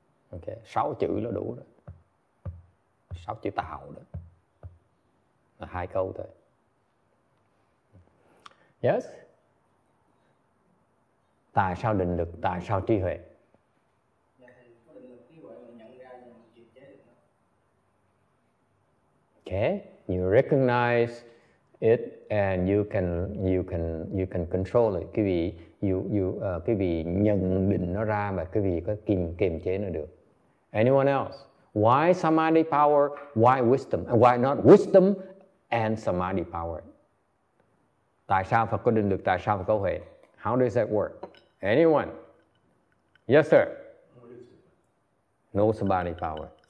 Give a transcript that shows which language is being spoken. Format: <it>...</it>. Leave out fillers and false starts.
<vi>Ok, 6 chữ là đủ rồi. 6 chữ tạo đó. Là 2 câu thôi.</vi> <en>Yes.</en> <vi>Tại sao định lực, tại sao trí huệ? Dạ thì có định lực trí huệ mình nhận ra mình kiềm chế được nó.</vi> <en>Okay, you recognize it and you can control it.</en> <vi>Quý vị quý vị nhận định nó ra và quý vị có kiềm chế nó được.</vi> <en>Anyone else? Why samadhi power? Why wisdom? Why not wisdom and samadhi power?</en> <vi>Tại sao Phật có định lực? Tại sao Phật có huệ?</vi> <en>How does that work? Anyone? Yes, sir. No samadhi power.</en>